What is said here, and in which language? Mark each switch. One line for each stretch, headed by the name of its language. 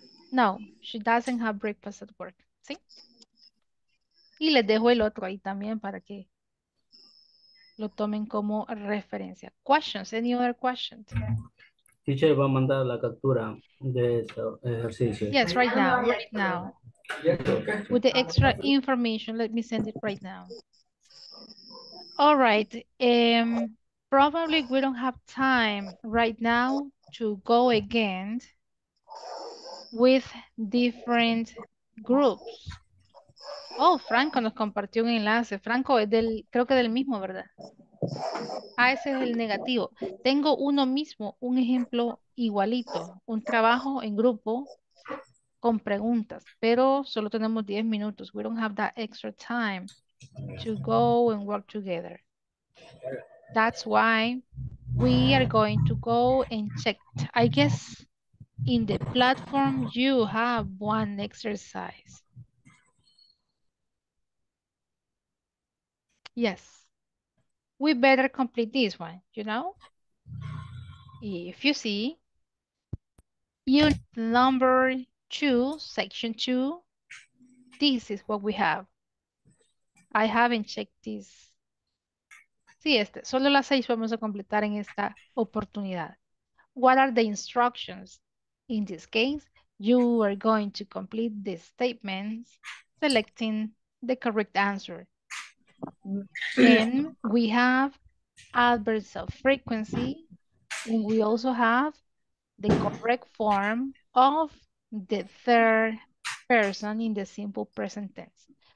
English: No, she doesn't have breakfast at work,
Spanish: ¿sí? Y les dejo el otro ahí también para que lo tomen como referencia.
English: Questions, any other questions?
Spanish: Teacher va a mandar la captura de este ejercicio.
English: Yes, right now. With the extra information, let me send it right now. All right. Probably we don't have time right now to go again with different groups.
Spanish: Oh, Franco nos compartió un enlace. Franco es del, creo que del mismo, ¿verdad? Ah, ese es el negativo. Tengo uno mismo, un ejemplo igualito, un trabajo en grupo con preguntas, pero solo tenemos 10 minutos.
English: We don't have that extra time to go and work together. That's why we are going to go and check. I guess in the platform you have one exercise. Yes. We better complete this one, you know? If you see, unit number 2, section 2, this is what we have. I haven't checked this.
Spanish: Sí, este. Solo las 6 vamos a completar en esta oportunidad.
English: What are the instructions? In this case, you are going to complete the statements selecting the correct answer. Then we have adverbs of frequency. And we also have the correct form of the third person in the simple present tense.